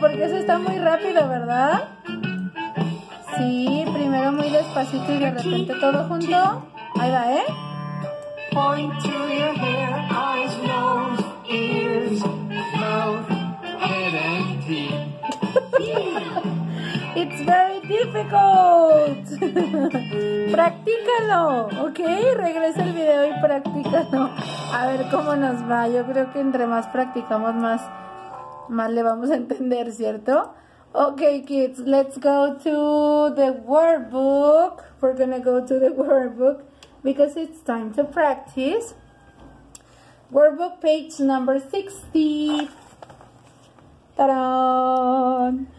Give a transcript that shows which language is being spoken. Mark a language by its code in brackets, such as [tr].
[es] Porque eso está muy rápido, ¿verdad? Sí, primero muy despacito y de repente todo junto. Ahí va, ¿eh? [en] Point to your hair, eyes, nose, ears, mouth, head and teeth. It's very difficult. [es] Practícalo, [en] ¿ok? [es] Regresa el video y practícalo. A ver cómo nos va. Yo creo que entre más practicamos, más le vamos a entender, ¿cierto? [en] Ok, kids, let's go to the workbook. We're gonna go to the workbook. Because it's time to practice. Workbook page number 60. Ta-da!